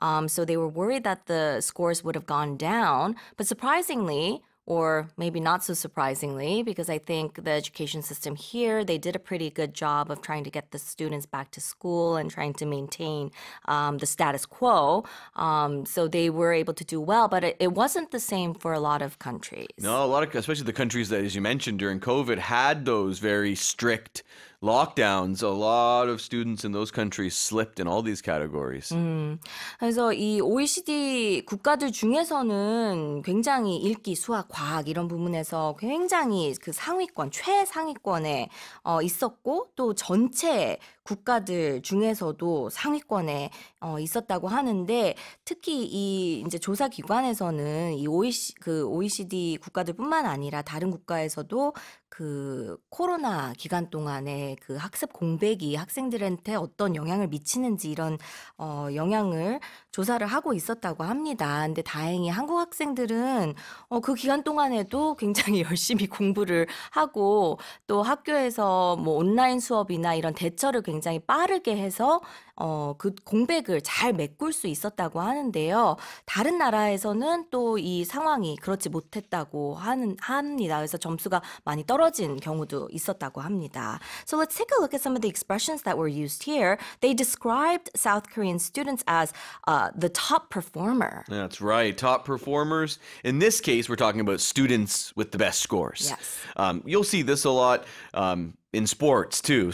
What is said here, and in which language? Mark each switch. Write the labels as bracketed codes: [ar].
[en] So they were worried that the scores would have gone down. But surprisingly, or maybe not so surprisingly, because I think the education system here, they did a pretty good job of trying to get the students back to school and trying to maintain the status quo. So they were able to do well, but it wasn't the same for a lot of countries. No, especially the countries that, as you mentioned, during COVID had those very strict lockdowns, a lot of students in those countries slipped in all these categories. [ko] 그래서 이 OECD 국가들 중에서는 굉장히 읽기, 수학, 과학 이런 부분에서 굉장히 그 상위권, 최상위권에 있었고 또 전체 국가들 중에서도 상위권에 있었다고 하는데 특히 이 이제 조사 기관에서는 이 OECD 국가들뿐만 아니라 다른 국가에서도 그 코로나 기간 동안에 그 학습 공백이 학생들한테 어떤 영향을 미치는지 이런 영향을 조사를 하고 있었다고 합니다. 근데 다행히 한국 학생들은 그 기간 동안에도 굉장히 열심히 공부를 하고 또 학교에서 뭐 온라인 수업이나 이런 대처를 굉장히 빠르게 해서 그 공백을 잘 메꿀 수 있었다고 하는데요. 다른 나라에서는 또 이 상황이 그렇지 못했다고 합니다. 그래서 점수가 많이 떨어진 경우도 있었다고 합니다. [en] So let's take a look at some of the expressions that were used here. They described South Korean students as the top performer. That's right. Top performers. In this case, we're talking about students with the best scores. Yes. You'll see this a lot. In sports, too.